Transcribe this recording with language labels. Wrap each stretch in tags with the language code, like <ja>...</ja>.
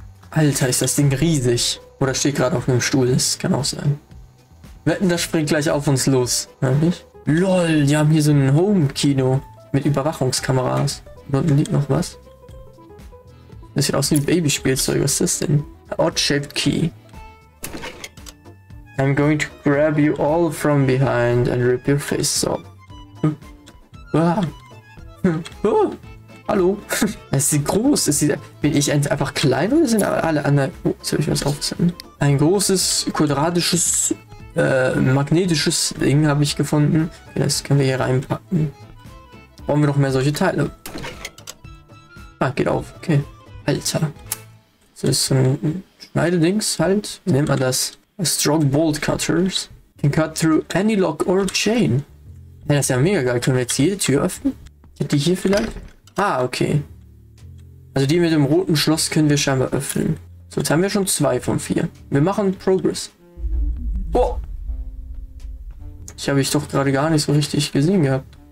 <de>Alter, ist das Ding riesig. Oder steht gerade auf einem Stuhl. Das kann auch sein. Wetten, das springt gleich auf uns los. Wirklich? Lol, die haben hier so ein Home-Kino mit Überwachungskameras. Dort liegt noch was. Das sieht aus wie ein Babyspielzeug. Was ist das denn?</de> <en>Odd-shaped key. I'm going to grab you all from behind and rip your face off.</en> <de>Ah. Oh. Hallo? Es sieht groß. Das sieht, bin ich einfach klein oder sind alle anderen? Oh, jetzt habe ich was aufgesetzt. Ein großes, quadratisches. Magnetisches Ding habe ich gefunden. Das können wir hier reinpacken. Brauchen wir noch mehr solche Teile? Ah, geht auf. Okay. Alter. Das ist so ein Schneidedings halt. Wie nennt man das?</de> <en>A strong bolt cutters. Can cut through any lock or chain.</en> <de>Ja, das ist ja mega geil. Können wir jetzt jede Tür öffnen? Die hier vielleicht? Ah, okay. Also die mit dem roten Schloss können wir scheinbar öffnen. So, jetzt haben wir schon 2 von 4. Wir machen Progress. Oh! Ich habe ich doch gerade gar nicht so richtig gesehen gehabt.</de>